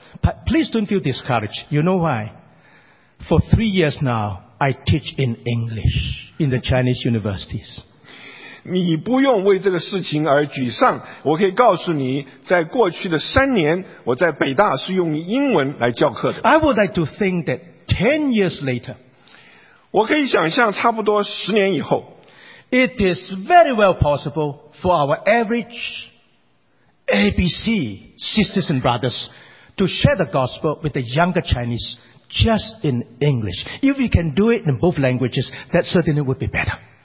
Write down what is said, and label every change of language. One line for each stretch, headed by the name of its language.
English: But please don't feel discouraged. You know why? For 3 years now, I teach in English in the Chinese universities.
Chinese: 你不用为这个事情而沮丧，我可以告诉你，在过去的三年，我在北大是用英文来教课的。
English: I would like to think that 10 years later,
Chinese: 我可以想象差不多10年以后,
English: it is very well possible for our average ABC sisters and brothers to share the gospel with the younger Chinese just in English. If we can do it in both languages, that certainly would be better.